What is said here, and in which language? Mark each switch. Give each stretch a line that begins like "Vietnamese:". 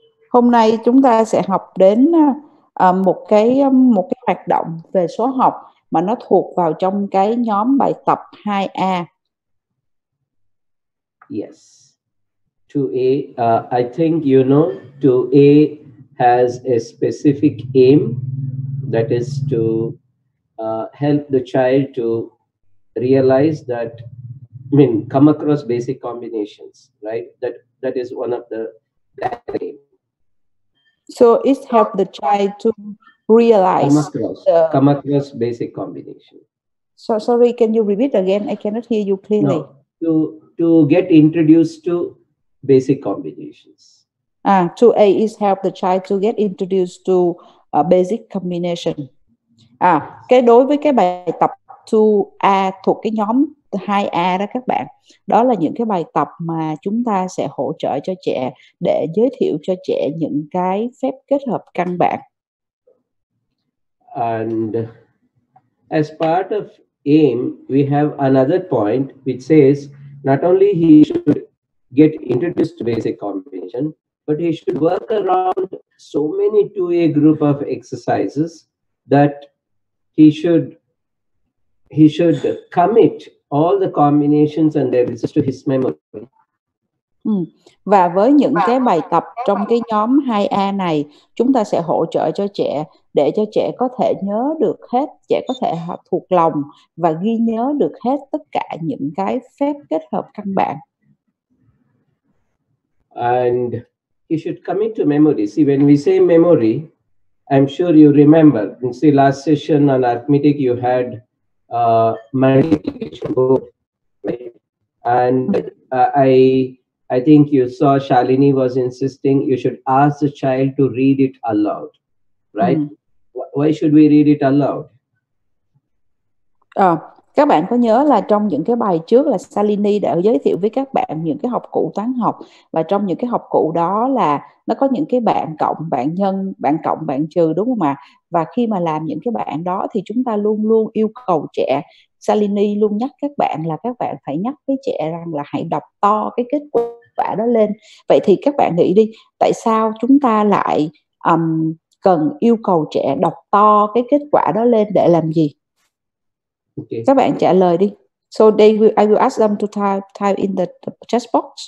Vietnamese: Hôm nay chúng ta sẽ học đến một cái hoạt động về số học mà nó thuộc vào trong cái nhóm bài tập 2A.
English: Yes. To A, I think you know, to A has a specific aim, that is to help the child to realize that, I mean, come across basic combinations, right? That is one of the aim. So it helps the child to realize. Come across basic combination. So sorry, can you repeat again? I cannot hear you clearly. No, to get introduced to basic combinations. 2A is help the child to get introduced to a basic combination.
Vietnamese: Cái đối với cái bài tập 2A thuộc cái nhóm 2A đó các bạn, đó là những cái bài tập mà chúng ta sẽ hỗ trợ cho trẻ để giới thiệu cho trẻ những cái phép kết hợp căn bản.
English: And as part of aim, we have another point which says not only he should get introduced to basic combination, but he should work around so many 2A group of exercises that he should commit all the combinations and their results to his memory.
Vietnamese: Và với những cái bài tập trong cái nhóm 2A này, chúng ta sẽ hỗ trợ cho trẻ để cho trẻ có thể nhớ được hết, trẻ có thể học thuộc lòng và ghi nhớ được hết tất cả những cái phép kết hợp căn bản.
English: And he should commit to memory. See, when we say memory, I'm sure you remember. You see, last session on arithmetic, you had multiplication board, right? And I think you saw Shalini was insisting you should ask the child to read it aloud, right? Why should we read it aloud?
Vietnamese: Các bạn có nhớ là trong những cái bài trước là Salini đã giới thiệu với các bạn những cái học cụ toán học, và trong những cái học cụ đó là nó có những cái bảng cộng, bảng nhân, bảng cộng, bảng trừ, đúng không ạ? Và khi mà làm những cái bảng đó thì chúng ta luôn luôn yêu cầu trẻ, Salini luôn nhắc các bạn là các bạn phải nhắc với trẻ rằng là hãy đọc to cái kết quả đó lên. Vậy thì các bạn nghĩ đi, tại sao chúng ta lại cần yêu cầu trẻ đọc to cái kết quả đó lên để làm gì?
English: Okay.
Vietnamese: Các bạn trả lời đi.
English: So they will, I will ask them to type in the chat box.